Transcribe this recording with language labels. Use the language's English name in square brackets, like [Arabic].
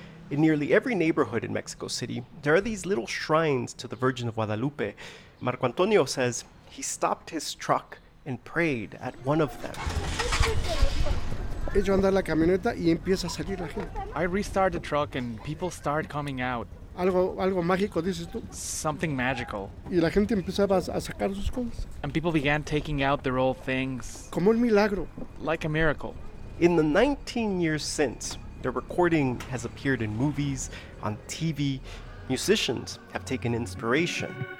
[English] In nearly every neighborhood in Mexico City, there are these little shrines to the Virgin of Guadalupe. Marco Antonio says he stopped his truck and prayed at one of them. I restart the truck and people start coming out. [Spanish] Algo mágico, dices tú. [English] Something magical. [Spanish] Y la gente empezaba a sacar sus cosas. [English] And people began taking out their old things. [Spanish] Como un milagro. [English] Like a miracle. In the 19 years since, the recording has appeared in movies, on TV. Musicians have taken inspiration.